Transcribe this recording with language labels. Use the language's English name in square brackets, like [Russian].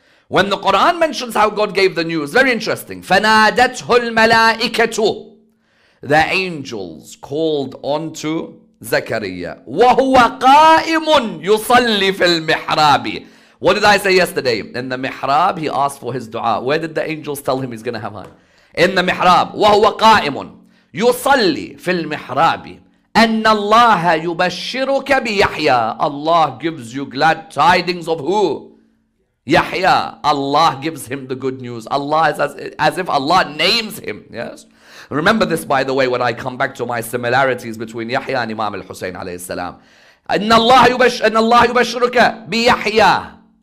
[English] When the Quran mentions how God gave the news, very interesting. [Arabic] فَنَادَتْهُ الْمَلَائِكَةُ [English] The angels called onto Zakaria. [Arabic] وَهُوَ قَائِمٌ يُصَلِّ فِي الْمِحْرَابِ [English] What did I say yesterday? In the mihrab, he asked for his dua. Where did the angels tell him he's going to have her? In the mihrab. [Arabic] وَهُوَ قَائِمٌ يُصَلِّ فِي الْمِحْرَابِ أَنَّ اللَّهَ يُبَشِّرُكَ بِيَحْيَى [English] Allah gives you glad tidings of who? Yahya, Allah gives him the good news. Allah is as if Allah names him. Yes. Remember this, by the way, when I come back to my similarities between Yahya and Imam al-Husayn alayhi salam. [Arabic] Allah yubashiruka bi Yahya.